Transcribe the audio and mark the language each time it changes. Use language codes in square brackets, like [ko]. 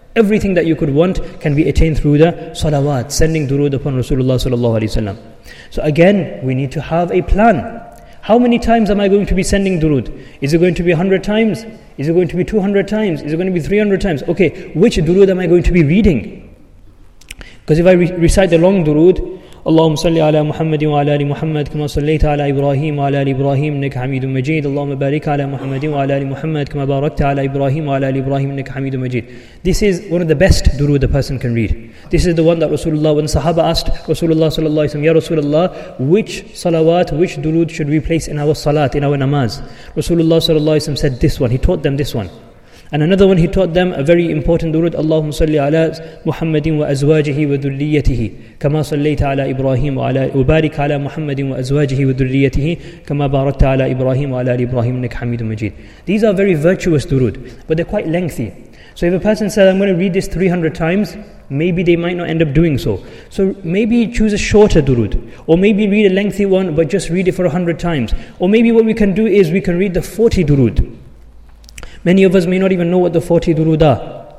[en] Everything that you could want can be attained through the salawat, sending durood upon Rasulullah sallallahu alayhi wa sallam. So again, we need to have a plan. How many times am I going to be sending durood? Is it going to be 100 times? Is it going to be 200 times? Is it going to be 300 times? Okay, which durood am I going to be reading? Because if I recite the long durood, [ar] اللهم صل على محمد وعلى آل محمد كما صليت على إبراهيم وعلى آل إبراهيم إنك حميد مجيد اللهم بارك على محمد وعلى آل محمد كما باركت على إبراهيم وعلى آل إبراهيم إنك حميد مجيد. [en] This is one of the best durood a person can read. This is the one that Rasulullah, when Sahaba asked Rasulullah [ar] صلى الله عليه وسلم, [en] Ya Rasulullah, which salawat, which durood should we place in our salat, in our namaz? Rasulullah [ar] صلى الله عليه وسلم [en] said this one. He taught them this one. And another one he taught them, a very important durood, [ar] اللهم صل على محمد وأزواجه وذريته كما صليت على إبراهيم وعلى وبارك على محمد وأزواجه وذريته كما باركت على إبراهيم وعلى إبراهيم إنك حميد مجيد. [en] These are very virtuous durood, but they're quite lengthy. So if a person says, I'm going to read this 300 times, maybe they might not end up doing so. So maybe choose a shorter durood, or maybe read a lengthy one, but just read it for 100 times. Or maybe what we can do is we can read the 40 durood. Many of us may not even know what the 40 durood are.